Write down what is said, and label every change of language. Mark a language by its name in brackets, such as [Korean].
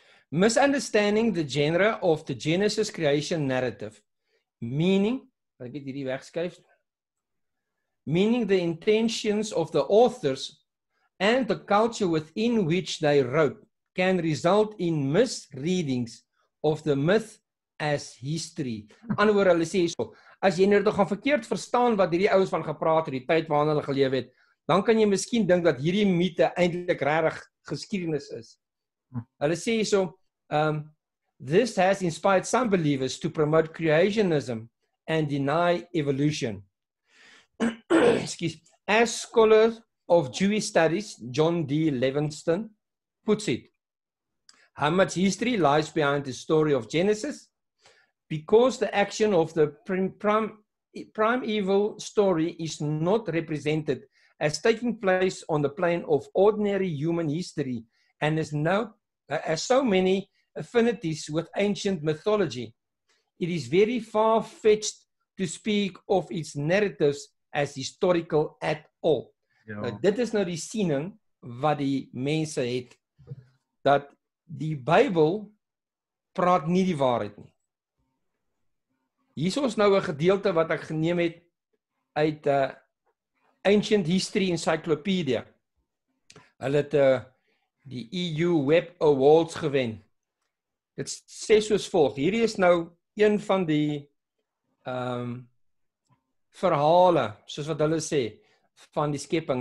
[English] Misunderstanding the genre of the Genesis creation narrative, meaning, [Afrikaans] wat ek het hierdie wegskuif, [English] meaning the intentions of the authors and the culture within which they wrote can result in misreadings of the myth as history. [Afrikaans] Anders hulle sê so, as jy nou toch gaan verkeerd verstaan wat hierdie ouens van gepraat het, die tyd waarin hulle geleef het, dan kan jy miskien dink dat hierdie mythe eintlik regtig geskiedenis is. Hulle sê so, [English] this has inspired some believers to promote creationism and deny evolution. As scholar of Jewish studies, John D. Levinson puts it, how much history lies behind the story of Genesis? Because the action of the primeval story is not represented as taking place on the plane of ordinary human history and is now There are so many affinities with ancient mythology. It is very far-fetched to speak of its narratives as historical at all. Yeah. [Afrikaans] Dit is nou die siening wat die mense het, dat die Bybel praat nie die waarheid nie. Hier is ons nou een gedeelte wat ek geneem het uit Ancient History Encyclopedia. Hulle het die EU Web Awards gewen. Dit sê soos volg, hier is nou een van die verhale, soos wat hulle sê, van die skepping.